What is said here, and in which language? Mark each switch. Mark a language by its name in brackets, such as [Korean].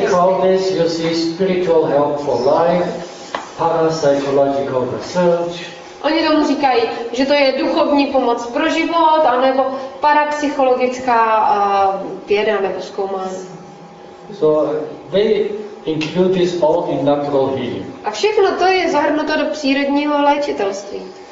[English] They call this, you see, spiritual help for life, parapsychological research. [Czech] Oni tomu říkají, že to je duchovní pomoc pro život, anebo parapsychologická věda nebo zkoumání. [English] So they include this all in natural healing. [Czech] A všechno to je zahrnuto do přírodního léčitelství.